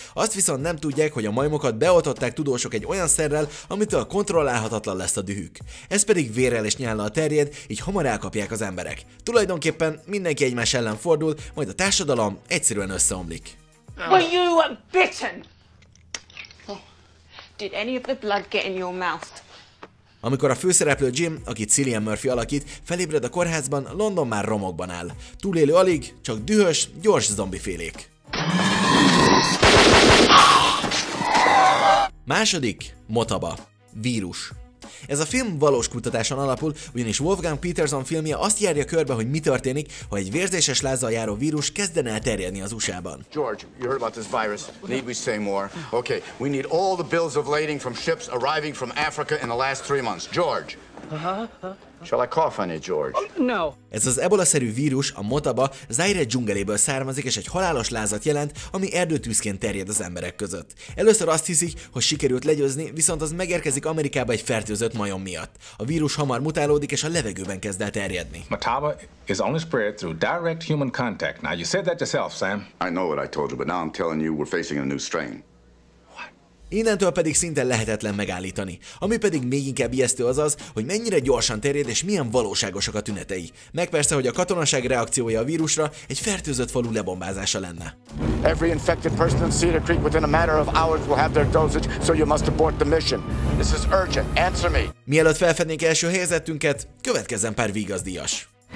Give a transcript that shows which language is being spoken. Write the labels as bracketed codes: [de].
[hu] Azt viszont nem tudják, hogy a majmokat beoltották tudósok egy olyan szerrel, amitől kontrollálhatatlan lesz a dühük. Ez pedig vérrel és nyállal terjed, így hamar elkapják az emberek. Tulajdonképpen mindenki egymás ellen fordul, majd a társadalom egyszerűen összeomlik. [en] Were you bitten? Did any of the blood get in your mouth? [hu] Amikor a főszereplő Jim, akit Cillian Murphy alakít, felébred a kórházban, London már romokban áll. Túlélő alig, csak dühös, gyors zombifélék. Második, Motaba. Vírus. Ez a film valós kutatáson alapul, ugyanis Wolfgang Peterson filmje azt járja körbe, hogy mi történik, ha egy vérzéses lázzal járó vírus kezdene el terjedni az USA-ban. [en] George, you heard about this virus. Need we say more? Okay, we need all the bills of lading from ships arriving from Africa in the last 3 months. George! Shall I cough on you, George? No. [hu] Ez az ebola-szerű vírus, a Motaba, Zaire dzsungeléből származik és egy halálos lázat jelent, ami erdőtűzként terjed az emberek között. Először azt hiszik, hogy sikerült legyőzni, viszont az megérkezik Amerikába egy fertőzött majom miatt. A vírus hamar mutálódik és a levegőben kezd el terjedni. [en] Motaba is only spread through direct human contact. Now you said that yourself, Sam. I know what I told you, but now I'm telling you we're facing a new strain. [hu] Innentől pedig szinte lehetetlen megállítani. Ami pedig még inkább ijesztő az, hogy mennyire gyorsan terjed és milyen valóságosak a tünetei. Meg persze, hogy a katonaság reakciója a vírusra egy fertőzött falu lebombázása lenne. [en] Every infected person in Cedar Creek within a matter of hours will have their dosage, so you must abort the mission. This is urgent. Answer me. [hu] Mielőtt felfednénk első helyezettünket, következzen pár vígazdíjas.